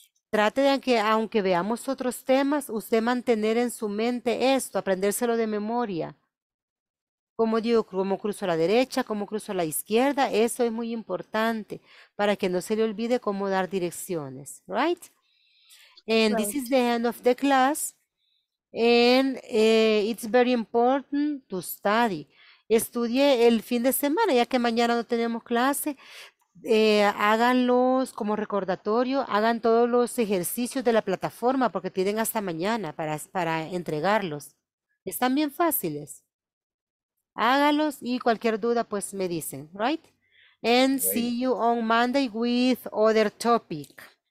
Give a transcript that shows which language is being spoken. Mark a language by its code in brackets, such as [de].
[es] Trate de que, aunque veamos otros temas, usted mantener en su mente esto, aprendérselo de memoria. Como digo, cómo cruzo a la derecha, cómo cruzo a la izquierda, eso es muy importante para que no se le olvide cómo dar direcciones. [en] Right? And right. This is the end of the class. And it's very important to study. [es] Estudie el fin de semana, ya que mañana no tenemos clase. Háganlos como recordatorio, hagan todos los ejercicios de la plataforma porque tienen hasta mañana para entregarlos. Están bien fáciles. Háganlos y cualquier duda, pues me dicen, right? [en] And see you on Monday with other topic.